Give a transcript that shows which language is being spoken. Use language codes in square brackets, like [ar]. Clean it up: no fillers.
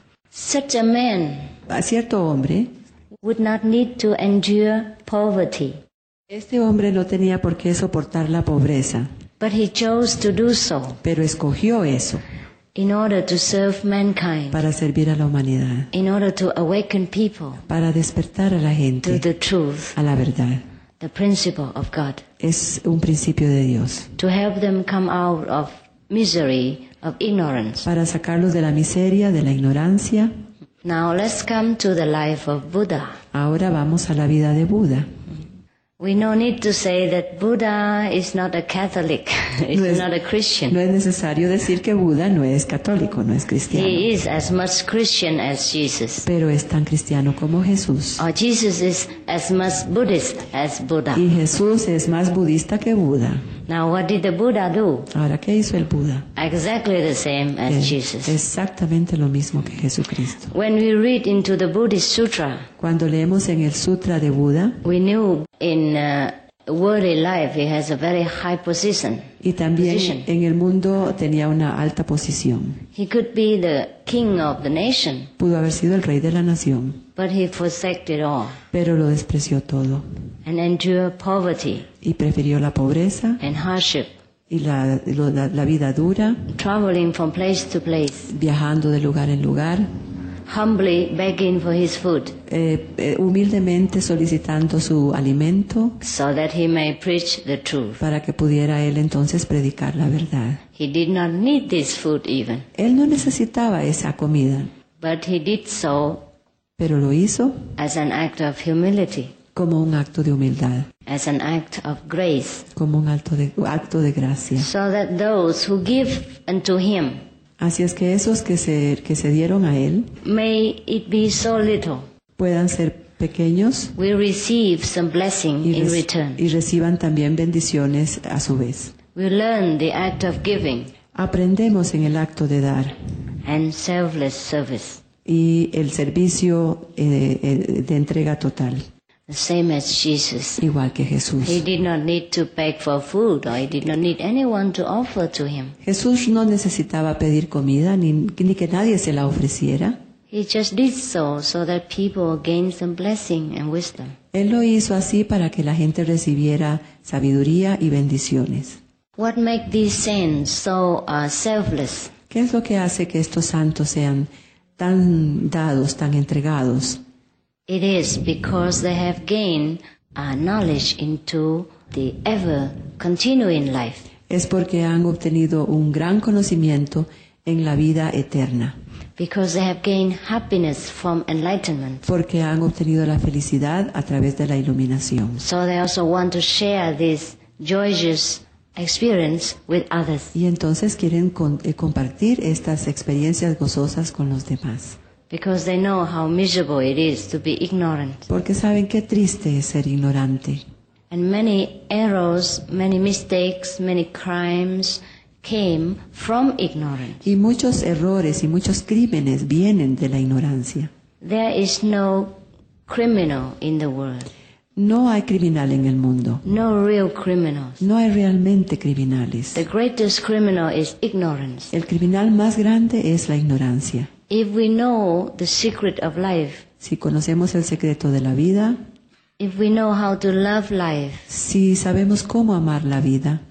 [en] Such a man, [es] a cierto hombre, [en] would not need to endure poverty. [es] Este hombre no tenía por qué soportar la pobreza. [en] But he chose to do so. [es] Pero escogió eso. [en] In order to serve mankind. [es] Para servir a la humanidad. [en] In order to awaken people. [es] Para despertar a la gente. [en] To the truth. [es] A la verdad. [en] The principle of God. [es] Es un principio de Dios. [en] To help them come out of misery, of ignorance. [es] Para sacarlos de la miseria, de la ignorancia. [en] Now let's come to the life of Buddha. [es] Ahora vamos a la vida de Buda. [en] We no need to say that Buddha is not a Catholic, not a Christian. [es] No es necesario decir que Buda no es católico, no es cristiano. [en] He is as much Christian as Jesus. [es] Pero es tan cristiano como Jesús. [en] Or Jesus is as much Buddhist as Buddha. [es] Y Jesús es más budista que Buda. [en] Now what did the Buddha do? [es] Ahora, ¿qué hizo el Buda? [en] Exactly the same as Jesus. [es] Exactamente lo mismo que Jesucristo. [en] When we read into the Buddhist Sutra, [es] cuando leemos en el Sutra de Buda, [en] we knew in worldly life he has a very high position. [es] Y también en el mundo tenía una alta posición. [en] He could be the king of the nation. [es] Pudo haber sido el rey de la nación. [en] But he forsake it all. [es] Pero lo despreció todo. [en] And endure poverty. [es] Y prefirió la pobreza. [en] And hardship. [es] Y la vida dura. [en] Traveling from place to place. [es] Viajando de lugar en lugar. [en] Humbly begging for his food. [es] Humildemente solicitando su alimento. [en] So that he may preach the truth. [es] Para que pudiera él entonces predicar la verdad. [en] He did not need this food even. [es] Él no necesitaba esa comida. [en] But he did so. [es] Pero lo hizo. [en] As an act of humility. [es] Como un acto de humildad. [en] As an act of grace. [es] Como un acto de gracia. [en] So that those who give unto him. [es] Así es que esos que se dieron a él. [en] May it be so little. [es] Puedan ser pequeños. [en] Will receive some blessing in return. [es] Y reciban también bendiciones a su vez. [en] We learn the act of giving. [es] Aprendemos en el acto de dar. [en] and selfless service. [es] Y el servicio de entrega total. [en] The same as Jesus. [es] Igual que Jesús. [en] He did not need to beg for food, or he did not need anyone to offer to him. [es] Jesús no necesitaba pedir comida ni que nadie se la ofreciera. [en] He just did so that people gained some blessing and wisdom. [es] Él lo hizo así para que la gente recibiera sabiduría y bendiciones. [en] What makes these saints so selfless? [es] ¿Qué es lo que hace que estos santos sean tan dados, tan entregados? [en] It is because they have gained knowledge into the ever continuing life. [es] Es porque han obtenido un gran conocimiento en la vida eterna. [en] Because they have gained happiness from enlightenment. [es] Porque han obtenido la felicidad a través de la iluminación. [en] So they also want to share this joyous experience with others. [es] Y entonces quieren compartir estas experiencias gozosas con los demás. [en] Because they know how miserable it is to be ignorant. [es] Porque saben qué triste es ser ignorante. [en] And many errors, many mistakes, many crimes came from ignorance. [es] Y muchos errores y muchos crímenes vienen de la ignorancia. [en] There is no criminal in the world. [es] No hay criminal en el mundo. [en] No real criminals. [es] No hay realmente criminales. [en] The greatest criminal is ignorance. [es] El criminal más grande es la ignorancia. [en] If we know the secret of life, [es] si conocemos el secreto de la vida, [en] if we know how to love life, [es] si sabemos cómo amar la vida,